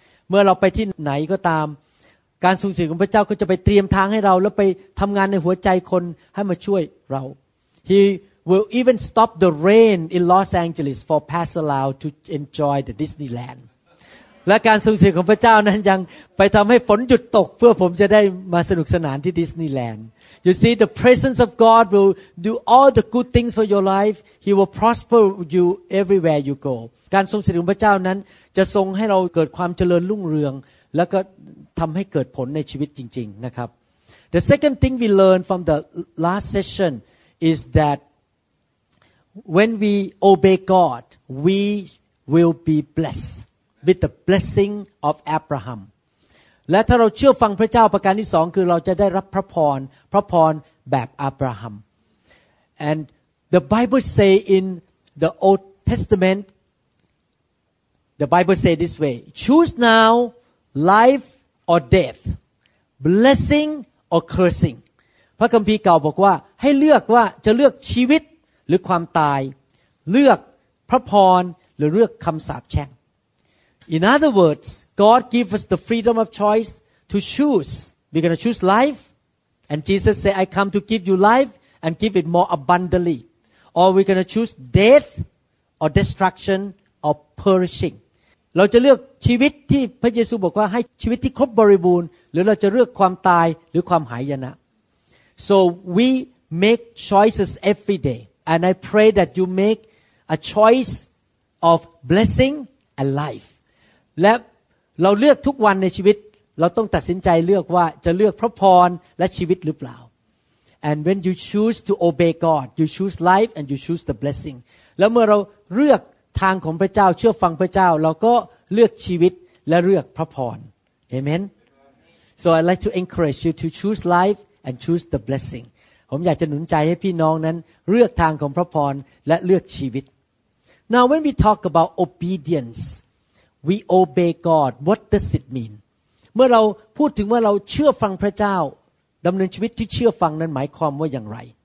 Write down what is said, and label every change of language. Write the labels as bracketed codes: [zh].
[th] เมื่อเราไปที่ไหนก็ตามการทรงสถิตของพระเจ้าก็จะไปเตรียมทางให้เราแล้วไปทำงานในหัวใจคนให้มาช่วยเรา [en] HeWill even stop the rain in Los Angeles for Pastor Lau to enjoy the Disneyland. [th] และการทรงสถิตของพระเจ้านั้นยังไปทำให้ฝนหยุดตกเพื่อผมจะได้มาสนุกสนานที่ Disneyland. [en] You see, the presence of God will do all the good things for your life. He will prosper you everywhere you go. [th] การทรงสถิตของพระเจ้านั้นจะทรงให้เราเกิดความเจริญรุ่งเรืองและก็ทำให้เกิดผลในชีวิตจริงๆนะครับ [en] The second thing we learned from the last session is thatWhen we obey God, we will be blessed with the blessing of Abraham. [th] และถ้าเราเชื่อฟังพระเจ้าประการที่สองคือเราจะได้รับพระพรพระพรแบบอับราฮัม [en] And the Bible say in the Old Testament, the Bible say this way: Choose now life or death, blessing or cursing. [th] พระคัมภีร์เก่าบอกว่าให้เลือกว่าจะเลือกชีวิตหรือความตายเลือกพระพรหรือเลือกคำสาปแช่ง [en] In other words, God gives us the freedom of choice to choose We're going to choose life. And Jesus said, I come to give you life and give it more abundantly. Or we're going to choose death or destruction or perishing. [th] เราจะเลือกชีวิตที่พระเยซูบอกว่าให้ชีวิตที่ครบบริบูรณ์หรือเราจะเลือกความตายหรือความหายนะ [en] So we make choices every day. And I pray that you make a choice of blessing and life. [th] และเราเลือกทุกวันในชีวิตเราต้องตัดสินใจเลือกว่าจะเลือกพระพรและชีวิตหรือเปล่า [en] And when you choose to obey God, you choose life and you choose the blessing. [th] แล้วเมื่อเราเลือกทางของพระเจ้าเชื่อฟังพระเจ้าเราก็เลือกชีวิตและเลือกพระพร Amen. [en] So I'd like to encourage you to choose life and choose the blessing. [th] ผมอยากจะหนุนใจให้พี่น้องนั้นเลือกทางของพระพรและเลือกชีวิต [en] Now when we talk about obedience, we obey God. What does it mean? [th] เมื่อเราพูดถึงว่าเราเชื่อฟังพระเจ้าดำเนินชีวิตที่เชื่อฟังนั้นหมายความว่าอย่างไร